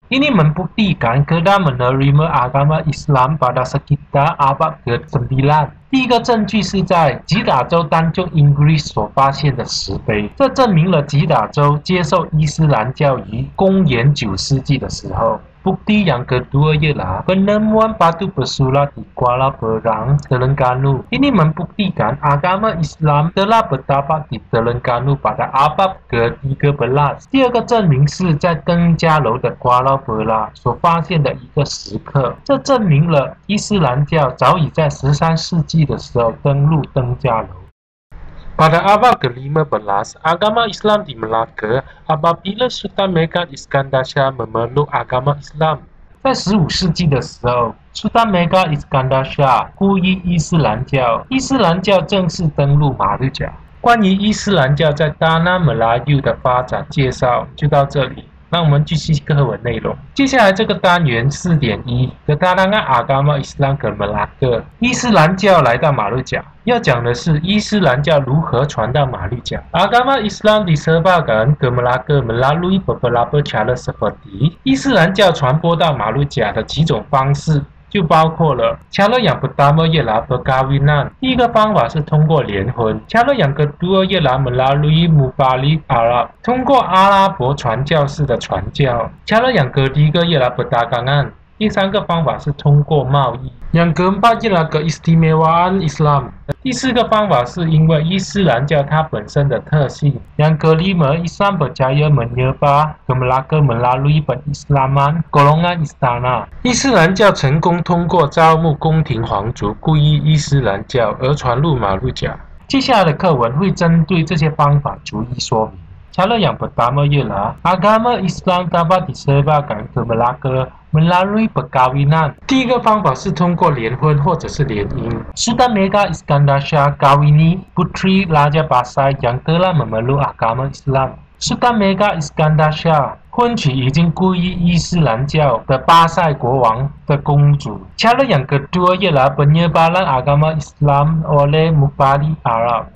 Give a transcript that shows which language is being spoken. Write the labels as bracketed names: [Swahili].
[Malay] Ini membuktikan kita menerima agama Islam pada sekitar abad ke-9. [Chinese] 第一个证据是在吉打州丹就 English 所发现的石碑，这证明了吉打州接受伊斯兰教于公元9世纪的时候。 [Malay] Bukti yang kedua ialah penemuan batu bersulat di Kuala Berang, Terengganu. Ini membuktikan agama Islam telah bertapak di Terengganu pada abad ke-13. [Chinese] 第二个证明是在登嘉楼的 Kuala Berang 所发现的一个石刻，这证明了伊斯兰教早已在13世纪的时候登陆登嘉楼。 [Malay] Pada abad ke-15, agama Islam di Melaka apabila Sultan Megat Iskandar Shah memeluk agama Islam. [Chinese] 在15世纪的时候，苏丹梅加伊斯坎达沙皈依伊斯兰教，伊斯兰教正式登陆马六甲。关于伊斯兰教在达那马拉尤的发展介绍就到这里，那我们继续课文内容。接下来这个单元 4.1 的达那阿嘎玛伊斯兰格马拉克，伊斯兰教来到马六甲。要讲的是伊斯兰教如何传到马六甲。 [Malay] Agama Islam disebarkan ke Melaka melalui beberapa cara seperti [Chinese] 伊斯兰教传播到马六甲的几种方式就包括了 [Malay] cara yang pertama ialah perkahwinan， [Chinese] 第一个方法是通过联婚 [Malay] cara yang kedua ialah melalui mubalig Arab， [Chinese] 通过阿拉伯传教士的传教 [Malay] cara yang ketiga ialah perdagangan， [Chinese] 第三个方法是通过贸易。 [Malay] Yang keempat ialah keistimewaan Islam， [Chinese] 第四个方法是因为伊斯兰教它本身的特性。 [Malay] Yang kelima Islam berjaya menyebar ke Melaka melalui perislaman golongan istana， [Chinese] 伊斯兰教成功通过招募宫廷皇族皈依伊斯兰教而传入马六甲。接下来的课文会针对这些方法逐一说明。 [Malay] Cara yang pertama ialah agama Islam dapat disebarkan ke Melaka melalui perkahwinan. [Chinese] 第一个方法是通过联婚或者是联姻。 [Malay] Sultan Mega Iskandar Shah kahwini putri Raja Basai yang telah memeluk agama Islam. [Chinese] Sultan Mega Iskandar Shah婚娶已经皈依伊斯兰教的巴塞国王的公主。 [Malay] Cara yang kedua ialah penyebaran agama Islam oleh mubalig Arab。